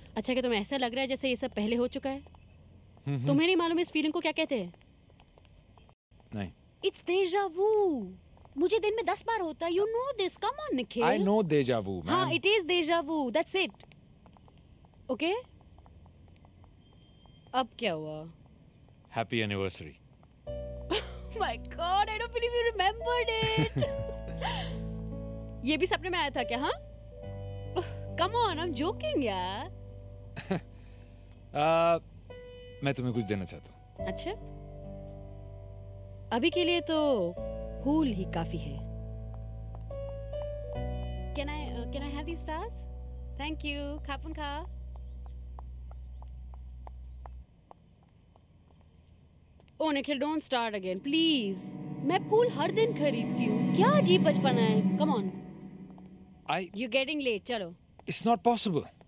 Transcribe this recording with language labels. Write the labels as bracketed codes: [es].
[hi] अच्छा क्या तुम्हें ऐसा लग रहा है जैसे ये सब पहले हो चुका है? तुम्हें नहीं मालूम इस फीलिंग को क्या कहते हैं? नहीं। [en] It's deja vu. [hi] मुझे दिन में 10 बार होता है। [en] you know this, come on [hi] Nikhil. [en] I know deja vu. [hi] हाँ [en] It is deja vu, that's it. Okay [hi] अब क्या हुआ? [en] Happy anniversary. My God, I don't believe you remembered it. [hi] ये भी सपने में आया था क्या? हाँ? [en] Come on, I'm joking, यार. [hi] मैं तुम्हें कुछ देना चाहता हूँ। अच्छा? अभी के लिए तो फूल ही काफी है। [en] Can I have these flowers? Thank you. खापुन खा। Oh Nikhil don't start again please. [hi] मैं फूल हर दिन खरीदती हूँ, क्या अजीब बचपना है। [en] Come on, I you getting late. [hi] चलो, [en] It's not possible.